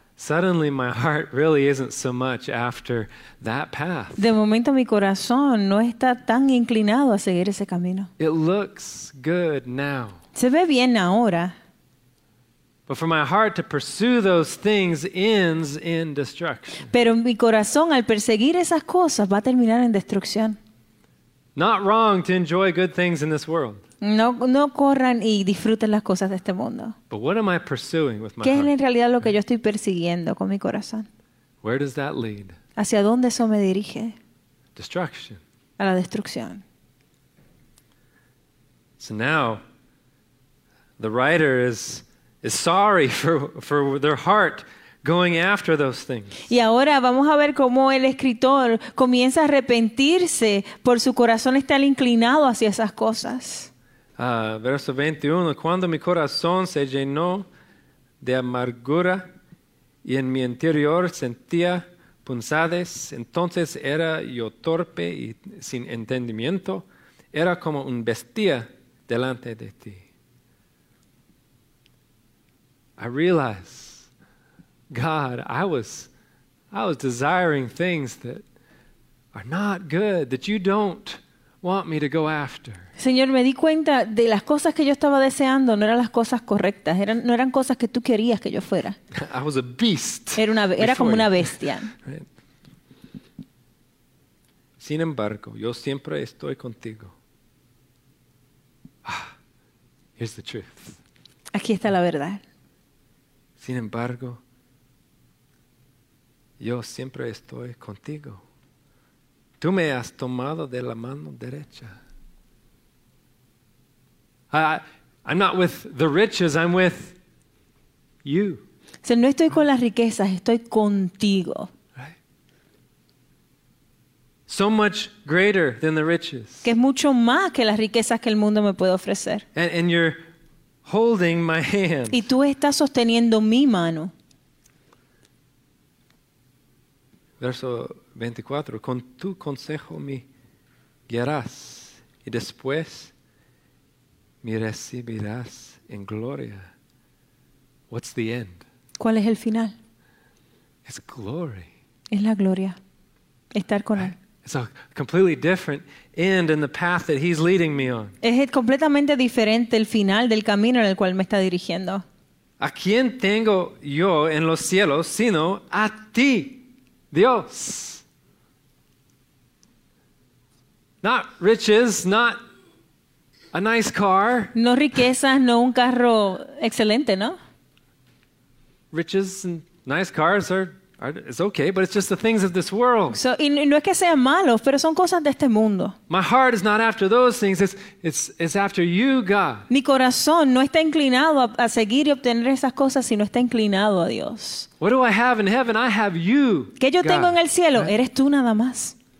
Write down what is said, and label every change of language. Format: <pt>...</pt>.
<en>Suddenly my heart really isn't so much after that path.</en> <es>De momento mi corazón no está tan inclinado a seguir ese camino.</es> <en>It looks good now.</en> <es>Se ve bien ahora.</es> <en>But for my heart to pursue those things ends in destruction.</en> <es>Pero mi corazón al perseguir esas cosas va a terminar en destrucción.</es> <en>Not wrong to enjoy good things in this world.</en> <es>No corran y disfruten las cosas de este mundo.</es> <en>But what am I pursuing with my</en> <es>¿Qué</es> <en>heart?</en> <es>¿Qué es en realidad lo que yo estoy persiguiendo con mi corazón?</es> <en>Where does that lead?</en> <es>¿Hacia dónde eso me dirige?</es> <en>Destruction.</en> <es>A la destrucción.</es> <en>So now the writer is sorry for their heart going after those things.</en> <es>Y ahora vamos a ver cómo el escritor comienza a arrepentirse por su corazón estar inclinado hacia esas cosas. Verso 21, cuando mi corazón se llenó de amargura y en mi interior sentía punzadas, entonces era yo torpe y sin entendimiento, era como un bestia delante de ti.</es> <en>I realize, God, I was desiring things that are not good, that you don't want me to go after.</en> <es>Señor, me di cuenta de las cosas que yo estaba deseando no eran las cosas correctas, no eran cosas que tú querías que yo fuera.</es> <en>I was a beast.</en> <es>Era como una bestia. Sin embargo, yo siempre estoy contigo.</es> <en>Ah, here's the truth.</en> <es>Aquí está la verdad. Sin embargo, yo siempre estoy contigo. Tú me has tomado de la mano derecha.</es> <en>I'm not with the riches, I'm with you.</en> <es>Si no estoy con las riquezas, estoy contigo.</es> <en>So much greater than the riches.</en> <es>Que es mucho más que las riquezas que el mundo me puede ofrecer.</es> <en>And you're holding my hand.</en> <es>Y tú estás sosteniendo mi mano. Verso 24. Con tu consejo me guiarás y después me recibirás en gloria.</es> <en>What's the end?</en> <es>¿Cuál es el final?</es> <en>It's glory.</en> <es>Es la gloria. Estar con él.</es> <en>It's a completely different end in the path that he's leading me on.</en> <es>Es completamente diferente el final del camino en el cual me está dirigiendo. ¿A quién tengo yo en los cielos sino a ti, Dios?</es> <en>Not riches, not a nice car.</en> <es>No riquezas, no un carro excelente, ¿no?</es> <en>Riches and nice cars are it's okay, but it's just the things of this world.</en> <es>So, y no es que sean malos, pero son cosas de este mundo.</es> <en>My heart is not after those things. It's after you, God.</en> <es>Mi corazón no está inclinado a seguir y obtener esas cosas, sino está inclinado a Dios.</es> <en>What do I have in heaven? I have you.</en> <es>¿Qué yo tengo</es> <en>God.</en> <es>En el cielo? Right? Eres tú nada más.</es>